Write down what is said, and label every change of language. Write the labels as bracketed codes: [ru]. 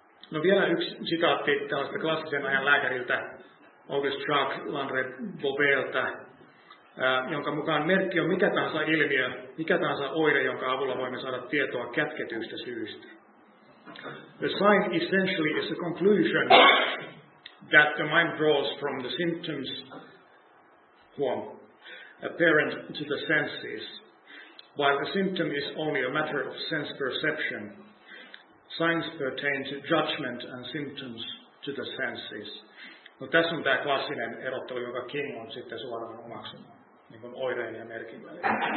[fi] No vielä yksi sitaatti tällaista klassisen ajan lääkäriltä, August-Jacques Landre Bobeltä, jonka mukaan merkki on mikä tahansa ilmiö, mikä tahansa oire, jonka avulla voimme saada tietoa kätketyistä syistä. [en] The sign essentially is a conclusion that the mind draws from the symptoms. Huom. Apparent to the senses, while a symptom is only a matter of sense perception, signs pertain to judgment and symptoms to the senses. [fi] No, tässä on tämä klassinen erottelu, joka King on sitten suoraan omaksunut, niin kuin oireen ja merkin välillä.